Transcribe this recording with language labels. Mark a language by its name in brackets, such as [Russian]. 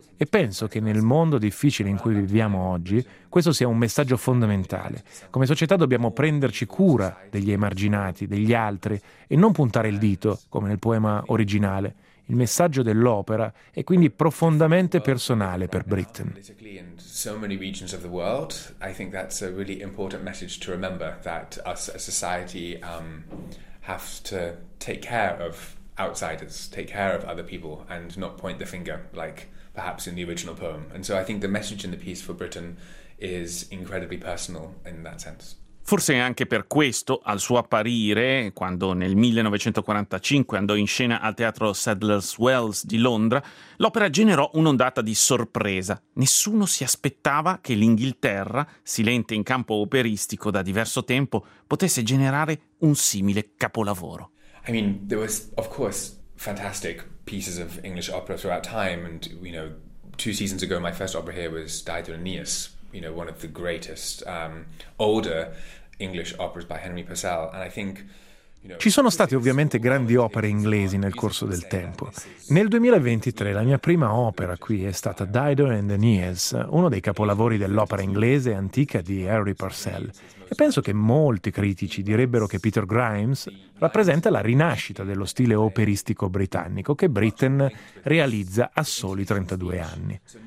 [Italian] E penso che nel mondo difficile in cui viviamo oggi, questo sia un messaggio fondamentale. Come società dobbiamo prenderci cura degli emarginati, degli altri, e non puntare il dito, come nel poema originale. Il messaggio dell'opera è quindi profondamente personale per Britten. [English] In so many regions of the world, I think that's a really important message to remember that us as society have to take care of outsiders, take care of other people, and not point the finger, like perhaps in the original poem. And so I think the message in the piece for Britain is incredibly personal in that sense. [Italian] Forse anche per questo, al suo apparire, quando nel 1945 andò in scena al teatro Sadler's Wells di Londra, l'opera generò un'ondata di sorpresa. Nessuno si aspettava che l'Inghilterra, silente in campo operistico da diverso tempo, potesse generare un simile capolavoro. [English] I mean, there was of course fantastic pieces of English opera throughout time, and you know, two seasons ago my first opera here was Dido and Aeneas. You know, one of the greatest older English operas by Henry Purcell, and I think. [Italian] Ci sono state ovviamente grandi opere inglesi nel corso del tempo. Nel 2023 la mia prima opera qui è stata Dido and Aeneas, uno dei capolavori dell'opera inglese antica di Henry Purcell. E penso che molti critici direbbero che Peter Grimes rappresenta la rinascita dello stile operistico britannico che Britten realizza a soli 32 anni.